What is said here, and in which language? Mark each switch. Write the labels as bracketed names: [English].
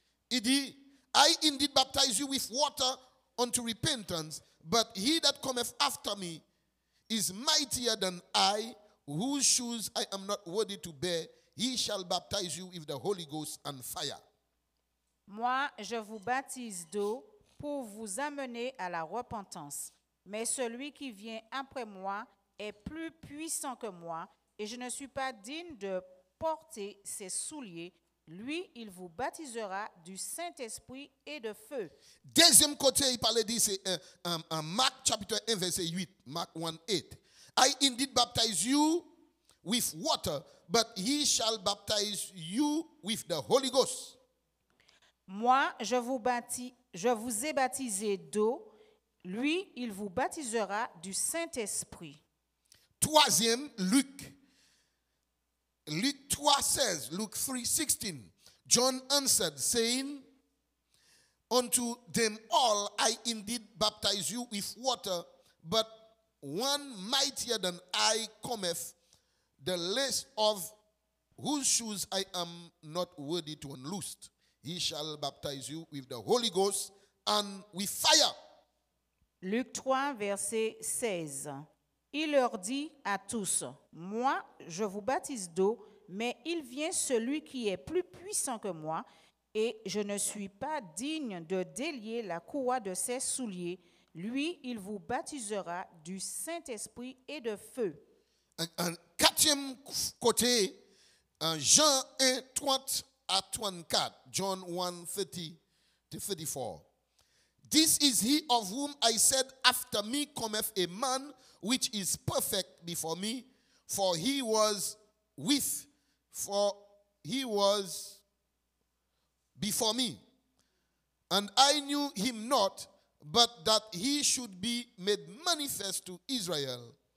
[French] Il dit: [English] I indeed baptize you with water unto repentance, but he that cometh after me is mightier than I, whose shoes I am not worthy to bear. He shall baptize you with the Holy Ghost and fire. [French] Moi, je vous baptise d'eau pour vous amener à la repentance. Mais celui qui vient après moi est plus puissant que moi, et je ne suis pas digne de porter ses souliers. Lui, il vous baptisera du Saint-Esprit et de feu. Deuxième côté, il parlait dit, c'est en Marc chapitre 1, verset 8. Marc 1, 8. [English] I indeed baptize you with water, but he shall baptize you with the Holy Ghost. [French] Moi, je vous ai baptisé d'eau. Lui, il vous baptisera du Saint-Esprit. Troisième, Luc. [English] Luke 3 says, Luke 3, 16, John answered, saying, unto them all, I indeed baptize you with water, but one mightier than I cometh, the lace of whose shoes I am not worthy to unloose. He shall baptize you with the Holy Ghost and with fire. Luke 3, verset 16. [French] Il leur dit à tous, moi, je vous baptise d'eau, mais il vient celui qui est plus puissant que moi, et je ne suis pas digne de délier la courroie de ses souliers. Lui, il vous baptisera du Saint-Esprit et de feu. En quatrième côté, en Jean 1, 30 à 34, [English] John 1, 30 to 34, This is he of whom I said, after me cometh a man which is perfect before me, for he was with, for he was before me. And I knew him not, but that he should be made manifest to Israel.